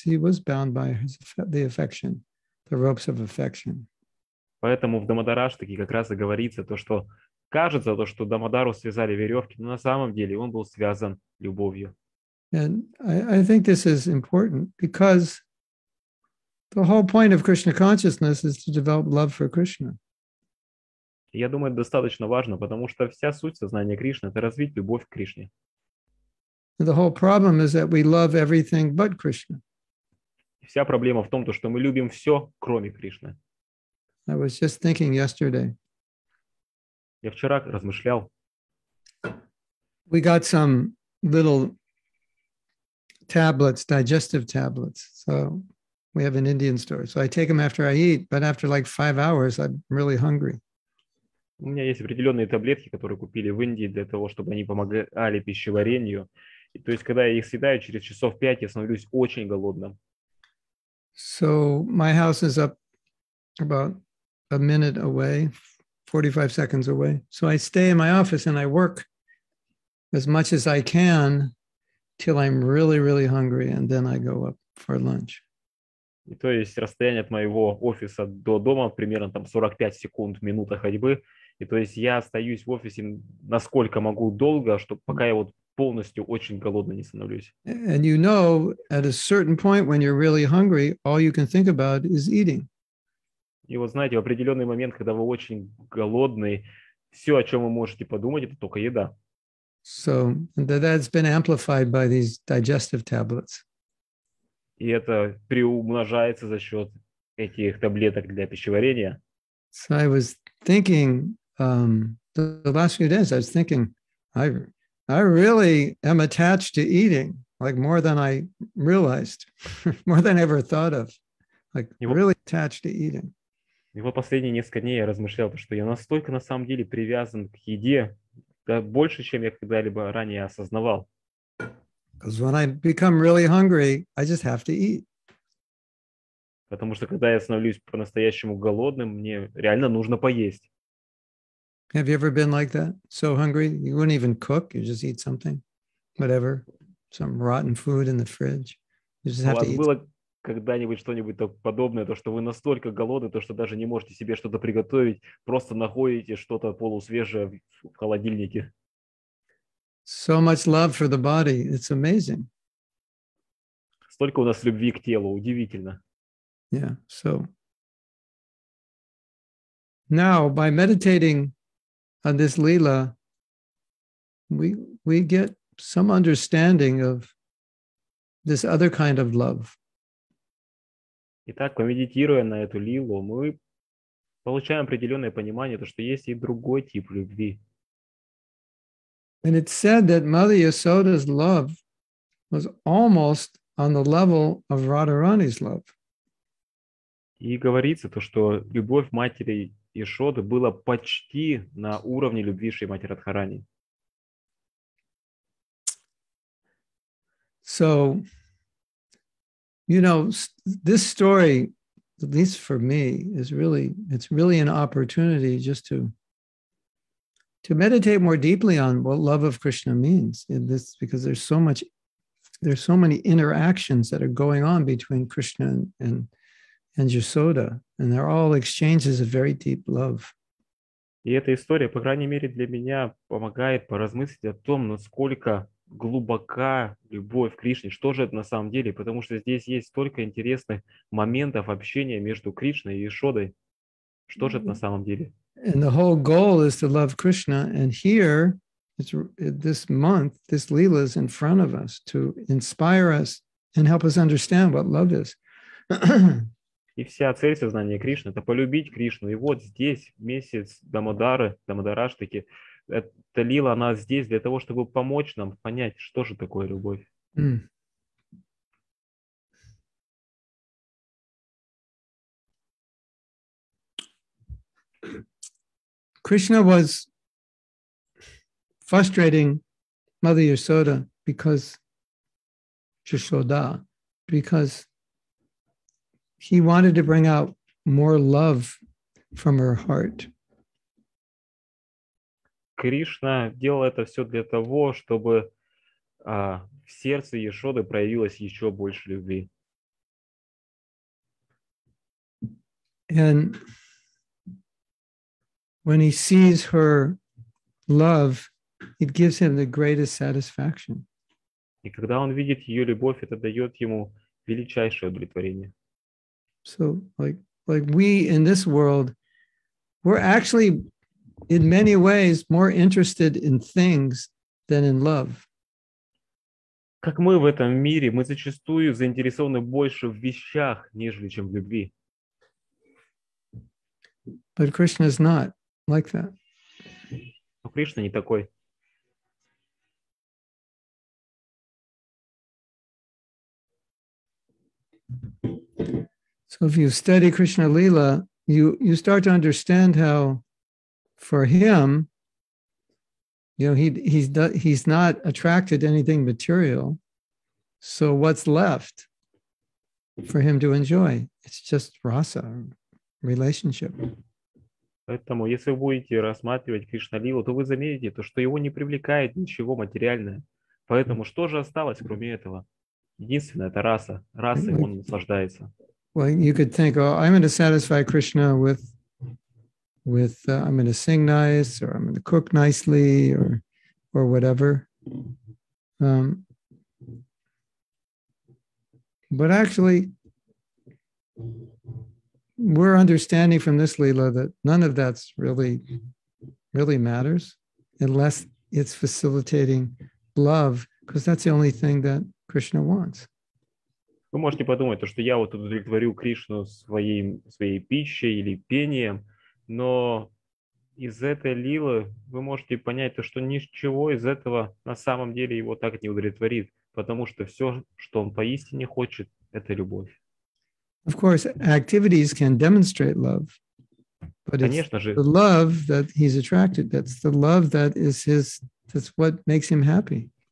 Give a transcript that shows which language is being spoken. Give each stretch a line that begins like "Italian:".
English: He was bound by the affection, the ropes of affection.
Russian: Поэтому в Дамодараштике как раз и говорится то, что кажется то, что Дамодару связали веревки, но на самом деле он был связан любовью.
English: And I think this is important because the whole point of Krishna consciousness is to develop love for Krishna.
Russian: Я думаю, достаточно важно, потому что вся суть сознания Кришны – это развить любовь к Кришне.
English: The whole problem is that we love everything but Krishna.
Russian: Вся проблема в том, что мы любим все, кроме Кришны.
English: I was just thinking yesterday.
Russian: Я вчера размышлял.
English: We got some little tablets, digestive tablets. So we have an Indian store. So I take them after I eat, but after like 5 hours, I'm really hungry.
Russian: У меня есть определенные таблетки, которые купили в Индии для того, чтобы они помогали пищеварению. То есть, когда я их съедаю, через часов 5 я становлюсь очень голодным.
English: So my house is up about a minute away, 45 seconds away. So I stay in my office and I work as much as I can till I'm really, really hungry, and then I go up for lunch.
Russian: И то есть расстояние от моего офиса до дома примерно там 45 секунд, минута ходьбы. И то есть я остаюсь в офисе насколько могу долго, чтобы пока я вот полностью очень голодный не становлюсь.
English: And you know, at a certain point when you're really hungry, all you can think about is eating.
Russian: И вот знаете, в определенный момент, когда вы очень голодный, все, о чем вы можете подумать, это только еда.
English: So that's been amplified by these digestive tablets.
Russian: И это приумножается за счет этих таблеток для пищеварения.
English: So I was thinking the last few days, I was thinking, I really am attached to eating. like more than I realized, more than I ever thought of, like
Russian: и
English: really вот, attached to eating.
Russian: И вот последние несколько дней я размышлял, что я настолько на самом деле привязан к еде, да, больше, чем я когда-либо ранее осознавал.
English: Because when I become really hungry, I just have to eat.
Russian: Потому что когда я становлюсь по-настоящему голодным, мне реально нужно поесть.
English: Have you ever been like that? So hungry, you wouldn't even cook, you just eat something, whatever, some rotten food in the fridge. You just have to eat.
Russian: У вас было когда-нибудь что-нибудь подобное, то, что вы настолько голодны, то, что даже не можете себе что-то приготовить, просто находите что-то полусвежее в холодильнике?
English: So much love for the body, it's amazing.
Russian: Столько у нас любви к телу, удивительно.
English: Yeah, so now by meditating on this lila, we get some understanding of this other kind of love.
Russian: Итак, помедитируя на эту лилу, мы получаем определенное понимание, то, что есть и другой тип любви.
English: And it's said that Mother Yasoda's love was almost on the level of Radharani's love.
Russian: И говорится то, что любовь матери Яшоды была почти на уровне любви Шримати Радхарани.
English: So, you know, this story, at least for me, is really, it's really an opportunity just to meditate more deeply on what love of Krishna means in this, because there's so much, there's so many interactions that are going on between Krishna and Yasoda, and they're all exchanges of very deep love.
Russian: И эта история, по крайней мере для меня, помогает поразмыслить о том, насколько глубока любовь к Кришне, что же это на самом деле, потому что здесь есть столько интересных моментов общения между Кришной и Яшодой, что же это на самом деле?
English: And the whole goal is to love Krishna, and here, it's this month, this lila is in front of us to inspire us and help us understand what love is.
Russian: И вся цель сознания Кришны – это полюбить Кришну. И вот здесь месяц Дамодары, Дамодараштаки, эта лила, она здесь для того, чтобы помочь нам понять, что же такое любовь. Mm.
English: Krishna was frustrating Mother Yasoda because he wanted to bring out more love from her heart.
Russian: Кришна делал это все для того, чтобы в сердце Яшоды проявилось еще больше любви.
English: And when he sees her love, it gives him the greatest satisfaction.
Russian: И когда он видит ее любовь, это дает ему величайшее удовлетворение.
English: So, like we in this world, we're actually in many ways more interested in things than in love.
Russian: Как мы в этом мире, мы зачастую заинтересованы больше в вещах, нежели чем в любви.
English: But Krishna is not like that.
Russian: Но Кришна не такой.
English: So if you study Krishna Lila, you start to understand how for him, you know, he's not attracted to anything material. So what's left for him to enjoy? It's just rasa, relationship.
Russian: Поэтому если вы будете рассматривать Кришна Лилу, то вы заметите то, что его не привлекает ничего материальное. Поэтому что же осталось, кроме этого? Единственное, это раса. Расой он наслаждается.
English: Well, you could think, oh, I'm going to satisfy Krishna with I'm going to sing nice, or I'm going to cook nicely, or whatever. But actually, we're understanding from this lila that none of that's really, really matters, unless it's facilitating love, because that's the only thing that Krishna wants.
Russian: Вы можете подумать, что я вот удовлетворю Кришну своей пищей или пением, но из этой лилы вы можете понять то, что ничего из этого на самом деле его так не удовлетворит, потому что все, что он поистине хочет, это любовь.
English: Of course, activities can demonstrate love, but it's
Russian: Конечно же.
English: The love that he's attracted, that's the love that is his, that's what makes him happy.